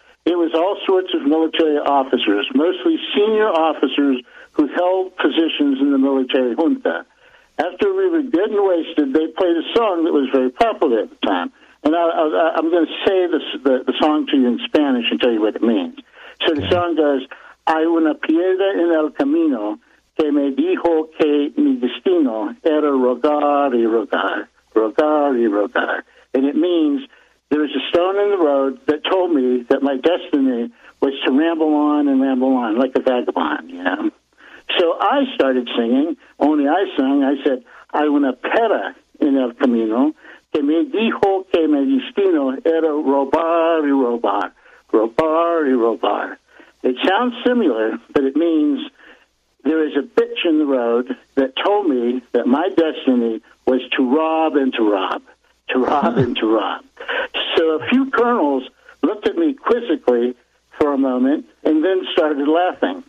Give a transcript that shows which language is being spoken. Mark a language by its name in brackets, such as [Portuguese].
[English] It was all sorts of military officers, mostly senior officers who held positions in the military junta. After we were good and wasted, they played a song that was very popular at the time. And I'm going to say the song to you in Spanish and tell you what it means. So the song goes, [Spanish] hay una piedra en el camino que me dijo que mi destino era rogar y rogar, [English] rogar y rogar. And it means, there is a stone in the road that told me that my destiny was to ramble on and ramble on, like a vagabond, you know? So I started singing, only I sang. I said, [Spanish] hay una piedra en el camino que me dijo que mi destino era rogar y rogar. Robar y robar. [English] It sounds similar, but it means there is a bitch in the road that told me that my destiny was to rob and to rob, to rob and to rob. So a few colonels looked at me quizzically for a moment and then started laughing.